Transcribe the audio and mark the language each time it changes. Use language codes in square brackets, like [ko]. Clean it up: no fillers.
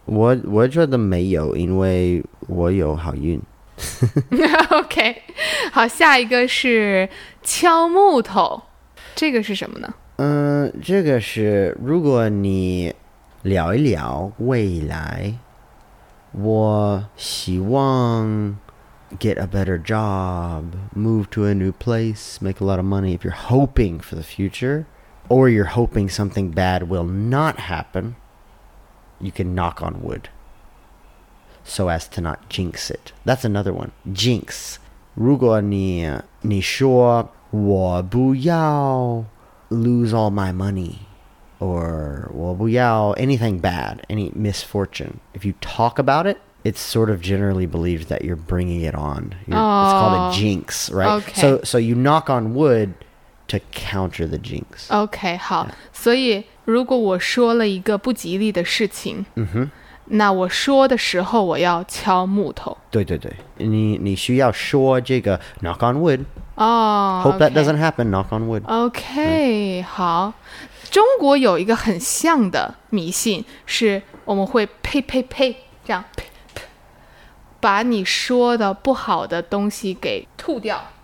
[zh] 我觉得没有，因为我有好运。 OK, 好，下一个是敲木头，这个是什么呢？这个是如果你聊一聊未来。我希望 [en] get a better job, move to a new place, make a lot of money. If you're hoping for the future, or you're hoping something bad will not happen, you can knock on wood so as to not jinx it. That's another one. Jinx. [zh] 如果你说我不要 [en] lose all my money,or [zh] 我不要 [en] anything bad, any misfortune. If you talk about it, it's sort of generally believed that you're bringing it on. It's called a jinx, right? Okay. So you knock on wood to counter the jinx. [zh] Okay, 好。 所以如果我说了一个不吉利的事情，那我说的时候我要敲木头。对对对，你需要说这个 [en] knock on wood。 Hope that doesn't happen, knock on wood. [zh] Okay, 好。中国有一个很像的迷信，是我们会呸呸呸，这样呸呸，把你说的不好的东西给吐掉。